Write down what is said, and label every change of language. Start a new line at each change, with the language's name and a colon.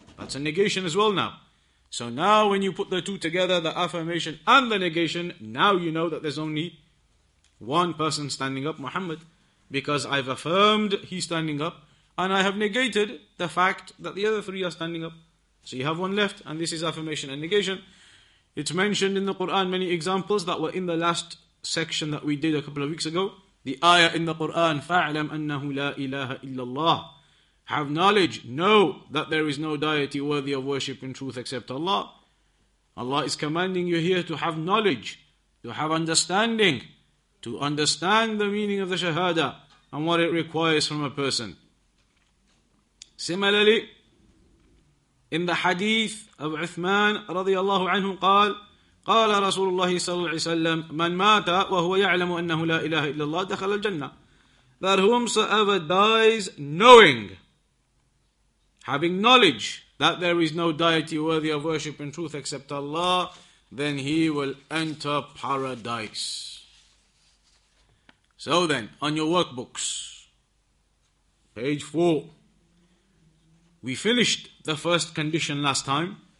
English: That's a negation as well now. So now when you put the two together, the affirmation and the negation, now you know that there's only one person standing up, Muhammad, because I've affirmed he's standing up and I have negated the fact that the other three are standing up. So you have one left, and this is affirmation and negation. It's mentioned in the Quran, many examples that were in the last section that we did a couple of weeks ago. The ayah in the Quran,
Arabic: فَعْلَمْ أَنَّهُ لَا إِلَهَ إِلَّا اللَّهِ.
English: Have knowledge, know that there is no deity worthy of worship in truth except Allah. Allah is commanding you here to have knowledge, to have understanding, to understand the meaning of the Shahada and what it requires from a person. Similarly, in the hadith of Uthman
Arabic: رضي الله عنه قال, قال رسول الله صلى الله عليه وسلم من مات وهو يعلم أنه لا إله إلا الله دخل الجنة.
English: That whomsoever dies knowing, having knowledge that there is no deity worthy of worship in truth except Allah, then he will enter paradise. So then, on your workbooks, page 4, we finished the first condition last time.